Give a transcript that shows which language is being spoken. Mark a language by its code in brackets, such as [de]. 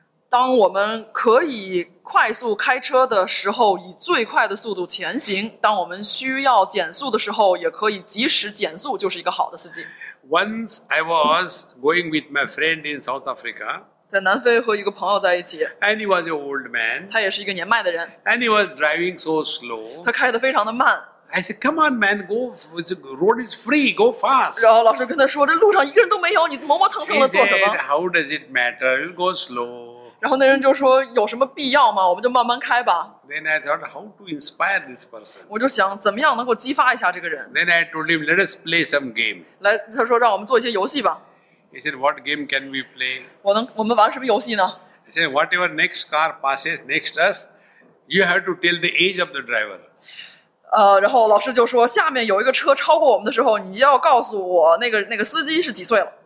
[zh] 当我们可以快速开车的时候以最快的速度前行，当我们需要减速的时候也可以及时减速，就是一个好的司机。 [en] Once I was going with my friend in South Africa. [zh] 在南非和一个朋友在一起。 [en] And he was an old man. [zh] 他也是一个年迈的人。 [en] And he was driving so slow. [zh] 他开得非常的慢。 [en] I said, come on, man, go, the road is free, go fast. [zh] 然后老师跟他说，这路上一个人都没有，你磨磨蹭蹭的做什么？ [en] He said, how does it matter? You go slow. [zh] 然后那人就说，有什么必要吗？我们就慢慢开吧。 [en] Then I thought, how to inspire this person? [zh] 我就想，怎么样能够激发一下这个人？ [en] Then I told him, let us play some game. [zh] 来，他说，让我们做一些游戏吧。 [en] He said, what game can we play? [zh] 我们玩什么游戏呢？ [en] He said, whatever next car passes next us, you have to tell the age of the driver. [zh] 然后老师就说，下面有一个车超过我们的时候，你要告诉我那个司机是几岁了。